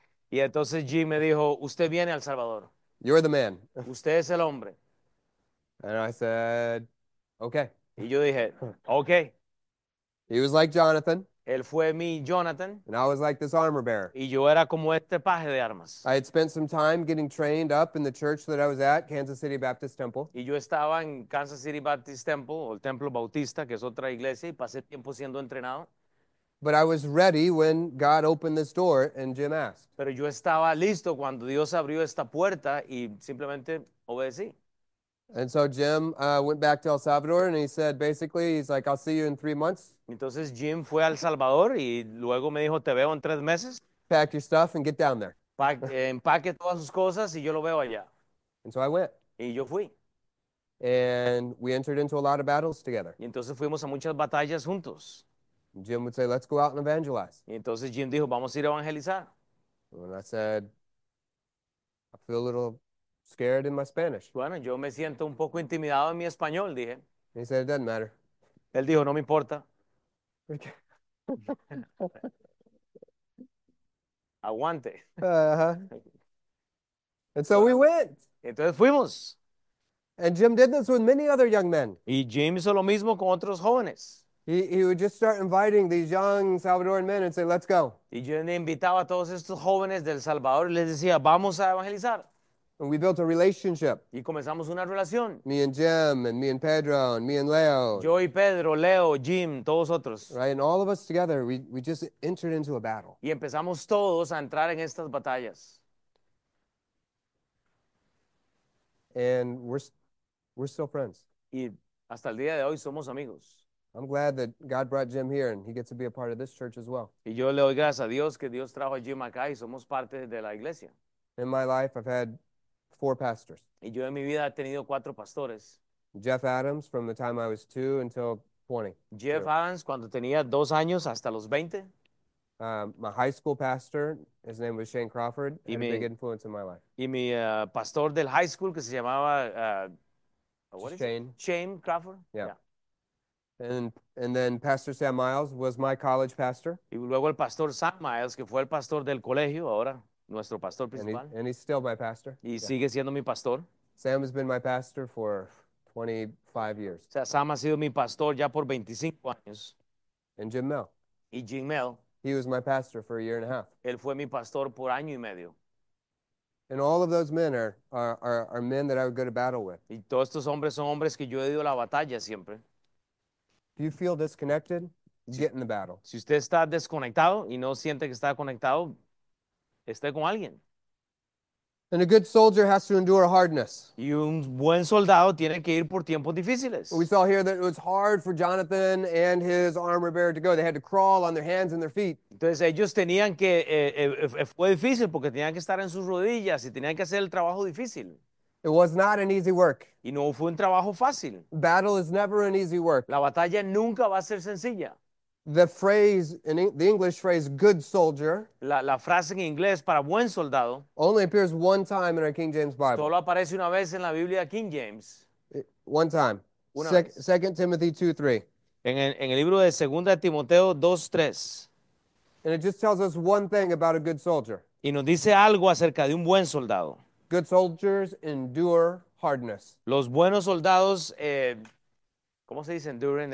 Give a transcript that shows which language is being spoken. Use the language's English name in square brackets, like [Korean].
[Spanish] Y entonces Jim me dijo, usted viene a El Salvador. [English] You're the man. And [Spanish] Usted es el hombre. [English] I said, okay. [Spanish] Y yo dije, okay. [English] He was like Jonathan. [Spanish] Él fue mi Jonathan. [English] And I was like this armor bearer. [Spanish] Y yo era como este paje de armas. [English] I had spent some time getting trained up in the church that I was at, Kansas City Baptist Temple. [Spanish] Y yo estaba en Kansas City Baptist Temple, o el Templo Bautista, que es otra iglesia, y pasé tiempo siendo entrenado. [English] But I was ready when God opened this door and Jim asked. [Spanish] Pero yo estaba listo cuando Dios abrió esta puerta y simplemente obedecí. [English] And so Jim went back to El Salvador and he said, basically, he's like, I'll see you in 3 months. [Spanish] Entonces Jim fue a El Salvador y luego me dijo, te veo en 3 meses. [English] Pack your stuff and get down there. [Spanish] Empaque todas sus cosas y yo lo veo allá. [English] And so I went. [Spanish] Y yo fui. [English] And we entered into a lot of battles together. [Spanish] Y entonces fuimos a muchas batallas juntos. [English] And Jim would say, let's go out and evangelize. [Spanish] Y entonces Jim dijo, vamos a ir a evangelizar. [English] And I said, I feel a little scared in my Spanish. [Spanish] Bueno, yo me siento un poco intimidado en mi español, dije. [English] And he said, it doesn't matter. [Spanish] Él dijo, no me importa. [English] Okay. [Spanish] Aguante. [English] And so we [Spanish] Bueno, [English] went. [Spanish] entonces fuimos. [English] And Jim did this with many other young men. [Spanish] Y Jim hizo lo mismo con otros jóvenes. [English] He would just start inviting these young Salvadoran men and say, let's go. [Spanish] Y yo le invitaba a todos estos jóvenes del Salvador y les decía, vamos a evangelizar. [English] And we built a relationship. [Spanish] Y comenzamos una relación. [English] Me and Jim, and me and Pedro, and me and Leo. [Spanish] Yo y Pedro, Leo, Jim, todos otros. [English] Right? And all of us together, we just entered into a battle. [Spanish] Y empezamos todos a entrar en estas batallas. [English] And we're still friends. [Spanish] Y hasta el día de hoy somos amigos. [English] I'm glad that God brought Jim here and he gets to be a part of this church as well. [Spanish] Y yo le doy gracias a Dios que Dios trajo a Jim acá y somos parte de la iglesia. [English] In my life, I've had four pastors. [Spanish] Y yo en mi vida he tenido cuatro pastores. [English] Jeff Adams from the time I was 2 until 20. [Spanish] Jeff Adams, cuando tenía 2 años hasta los 20. [English] My high school pastor, his name was Shane Crawford, [Spanish] Y [English] had a big influence in my life. [Spanish] mi pastor del high school que se llamaba, [English] what Just is it? Shane. Shane Crawford. Yeah. And then Pastor Sam Miles was my college pastor. [Spanish] Y luego el pastor Sam Miles, que fue el pastor del colegio, ahora nuestro pastor principal. [English] And he's still my pastor. [Spanish] Y [English] Yeah. [Spanish] sigue siendo mi pastor. [English] Sam has been my pastor for 25 years. [Spanish] Sea, Sam ha sido mi pastor ya por 25 años. [English] And Jim Mel. [Spanish] Y Jim Mel, [English] He was my pastor for a year and a half. [Spanish] él fue mi pastor por año y medio. [English] And all of those men are men that I would go to battle with. [Spanish] Y todos estos hombres son hombres que yo he ido a la batalla siempre. [English] If you feel disconnected, get in the battle. [Spanish] Si usted está desconectado y no siente que está conectado, esté con alguien. [English] And a good soldier has to endure hardness. [Spanish] Y un buen soldado tiene que ir por tiempos [English] We [Spanish] difíciles. [English] saw here that it was hard for Jonathan and his armor bearer to go. They had to crawl on their hands and their feet. [Spanish] Entonces ellos tenían que, fue difícil porque tenían que estar en sus rodillas y tenían que hacer el trabajo difícil. [English] It was not an easy work. [Spanish] Y no fue un trabajo fácil. [English] Battle is never an easy [Spanish] La [English] work. [Spanish] batalla nunca va a ser sencilla. [English] The phrase, the English phrase, good soldier, [Spanish] La frase en inglés para buen soldado [English] only appears one time in our King James [Spanish] solo [English] Bible. [Spanish] aparece una vez en la Biblia King James. [English] One time. [Spanish] Una vez. [English] 2 Timothy 2:3. [Spanish] En el libro de 2 Timoteo 2:3. [English] And it just tells us one thing about a good soldier. [Spanish] Y nos dice algo acerca de un buen soldado. [English] Good soldiers endure hardness. [Spanish] Los buenos soldados, ¿cómo se dice enduring?